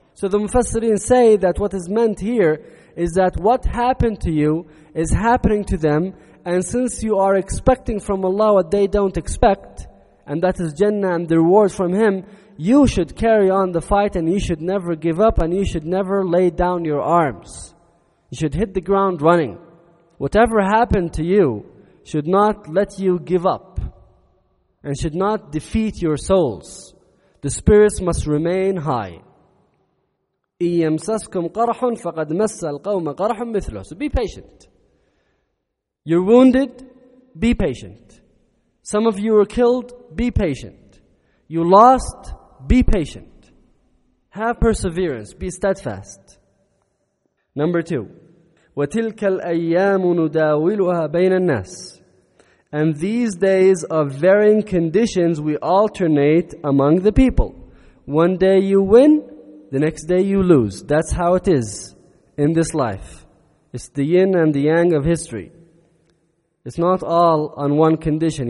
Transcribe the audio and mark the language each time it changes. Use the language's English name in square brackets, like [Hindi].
[English] So the Mufassirin say that what is meant here is that what happened to you is happening to them, and since you are expecting from Allah what they don't expect, and that is Jannah and the reward from Him, you should carry on the fight and you should never give up and you should never lay down your arms. You should hit the ground running. Whatever happened to you should not let you give up and should not defeat your souls. The spirits must remain high. [Arabic] إِن يَمْسَسْكُمْ قَرْحٌ فَقَدْ مَسَّ الْقَوْمَ قَرْحٌ مِثْلُهُ [English] So be patient. You're wounded, be patient. Some of you were killed, be patient. You lost, be patient. Have perseverance, be steadfast. Number 2. [Arabic] وَتِلْكَ الْأَيَّامُ نُدَاوِلُهَا بَيْنَ النَّاسِ [English] And these days of varying conditions we alternate among the people. One day you win, the next day you lose. That's how it is in this life. It's the yin and the yang of history. It's not all on one condition.